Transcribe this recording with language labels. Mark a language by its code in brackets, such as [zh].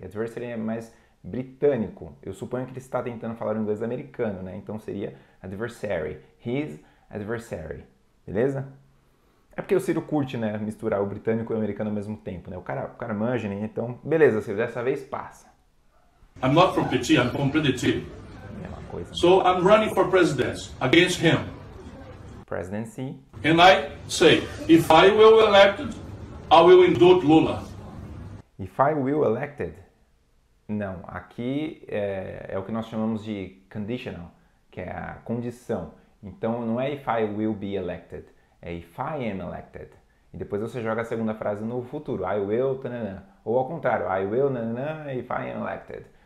[pt] Adversary é mais britânico. Eu suponho que ele está tentando falar inglês americano, né? Então seria adversary. [en] His adversary. [pt] Beleza? É porque o Ciro curte, né, misturar o britânico e o americano ao mesmo tempo, né? O cara manja, né? Então, beleza, Ciro, dessa vez passa. [en] I'm not from Petit, I'm from Petit. [pt] É uma coisa. [en] So, I'm running for presidency against him. Presidency. And I say, if I will elected, I will indict Lula. If I will elected? [pt] Não, aqui é o que nós chamamos de conditional, que é a condição. Então, não é [en] if I will be elected. [pt] É [en] if I am elected. [pt] E depois você joga a segunda frase no futuro. [en] I will, [pt] tanana. Ou ao contrário. [en] I will, tanana, if I am elected.